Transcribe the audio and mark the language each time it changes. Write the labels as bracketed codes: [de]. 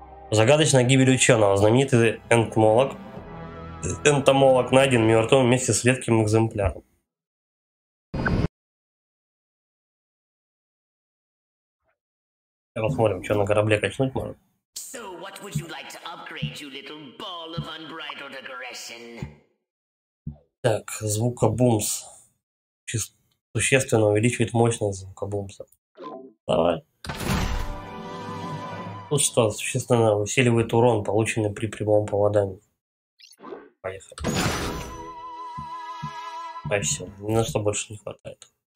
[ru] Загадочная гибель ученого. Знаменитый энтомолог. Энтомолог найден мертвым вместе с редким экземпляром. Посмотрим, что на корабле качнуть можно. [en] So what would you like to upgrade, you little ball of unbridled aggression? [ru] Так, звукобумс. Существенно увеличивает мощность звукобумса. Давай. Тут что, существенно усиливает урон, полученный при прямом попадании. Поехали. А все, ни на что больше не хватает.